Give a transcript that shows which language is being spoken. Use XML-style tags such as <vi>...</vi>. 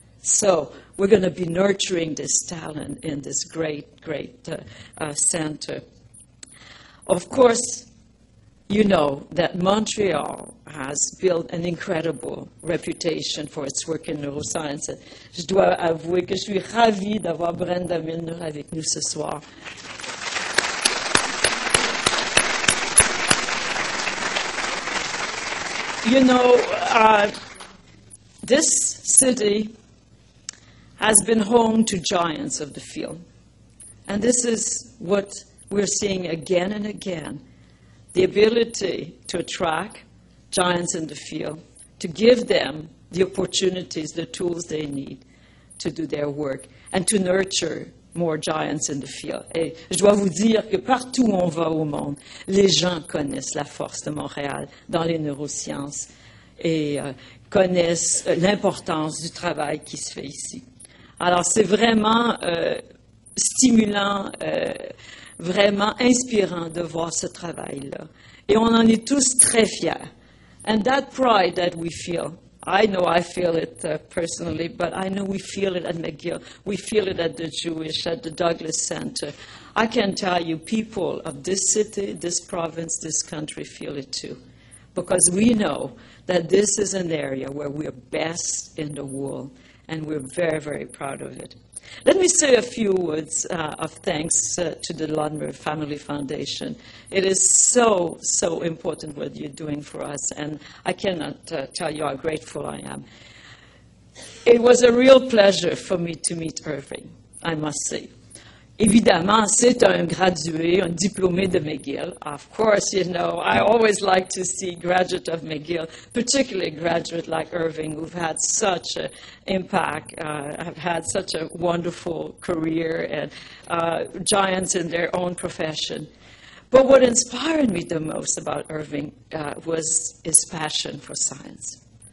<en>So we're going to be nurturing this talent in this great, great center. Of course, you know that Montreal has built an incredible reputation for its work in neuroscience.</en> <fr>Je dois avouer que je suis ravie d'avoir Brenda Milner avec nous ce soir.</fr> <en>You know, this city has been home to giants of the field, and this is what we're seeing again and again, the ability to attract giants in the field, to give them the opportunities, the tools they need to do their work, and to nurture more giants in the field.</en> <fr>Et je dois vous dire que partout où on va au monde, les gens connaissent la force de Montréal dans les neurosciences et connaissent l'importance du travail qui se fait ici. Alors, c'est vraiment stimulant, vraiment inspirant de voir ce travail-là. Et on en est tous très fiers.</fr> <en>And that pride that we feel, I know I feel it personally, but I know we feel it at McGill. We feel it at the Jewish, at the Douglas Center. I can tell you, people of this city, this province, this country feel it too. Because we know that this is an area where we are best in the world, and we're very, very proud of it. Let me say a few words of thanks to the Ludmer Family Foundation. It is so, so important what you're doing for us, and I cannot tell you how grateful I am. It was a real pleasure for me to meet Irving, I must say.</en> <fr>Évidemment, c'est un gradué, un diplômé de McGill.</fr> <en>Of course, you know, I always like to see graduates of McGill, particularly graduates like Irving, who've had such an impact, have had such a wonderful career, and giants in their own profession. But what inspired me the most about Irving was his passion for science.</en>